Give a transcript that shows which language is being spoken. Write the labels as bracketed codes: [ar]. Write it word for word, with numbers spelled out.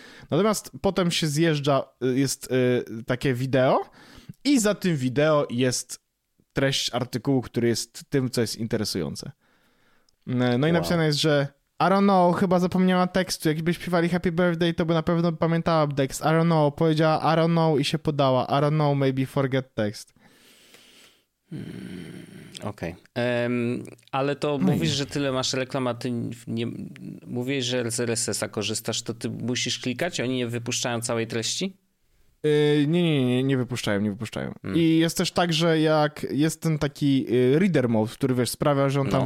[pl] Natomiast potem się zjeżdża, jest y, takie wideo i za tym wideo jest treść artykułu, który jest tym, co jest interesujące. No i wow. napisane jest, że [en] I don't know, [pl] chyba zapomniała tekstu. Jakby śpiewali [en] Happy Birthday, [pl] to by na pewno pamiętała tekst. [en] I don't know, [pl] powiedziała I don't know i się podała. [en] I don't know, maybe forget text. [pl] Hmm, Okej. Okay. Um, ale to no mówisz, nie. że tyle masz reklam, a ty nie, mówisz, że z R S S a korzystasz, to ty musisz klikać? Oni nie wypuszczają całej treści? Yy, nie, nie, nie, nie wypuszczają, nie wypuszczają. Hmm. I jest też tak, że jak jest ten taki reader mode, który wiesz, sprawia, że on tam no.